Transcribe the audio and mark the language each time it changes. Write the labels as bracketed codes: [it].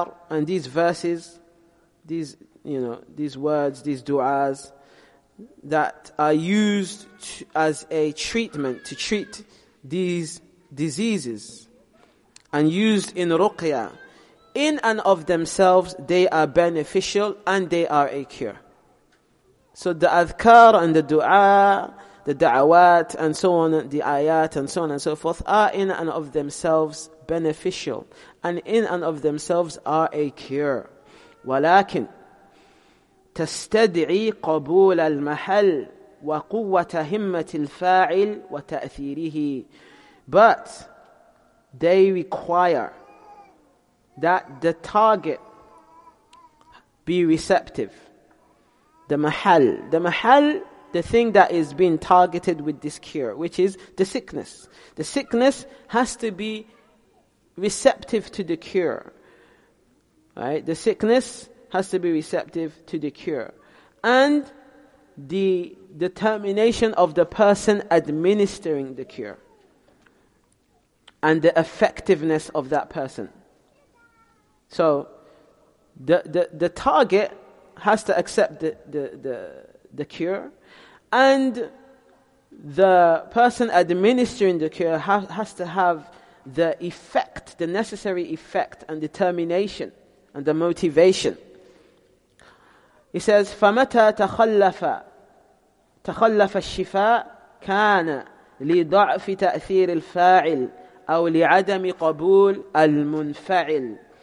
[en] and these verses, these words, these du'as that are used as a treatment to treat these diseases and used in ruqya, in and of themselves they are beneficial and they are a cure. So the adhkar and the du'a, the da'awat and so on, the ayat and so on and so forth, are in and of themselves beneficial, and in and of themselves are a cure. [ar] ولكن تستدعي قبول المحل وقوة همة الفاعل وتأثيره. [en] But they require that the target be receptive. The mahal. The thing that is being targeted with this cure, which is the sickness. The sickness has to be receptive to the cure. Right? The sickness has to be receptive to the cure. And the determination of the person administering the cure. And the effectiveness of that person. So, the target has to accept the cure. And the person administering the cure has to have the effect, the necessary effect and determination and the motivation. He says, [ar] فَمَتَى تَخَلَّفَ الشِّفَاءُ كَانَ لِضَعْفِ تَأْثِيرِ الْفَاعِلِ أَوْ لِعَدَمِ قَبُولِ الْمُنْفَعِلِ.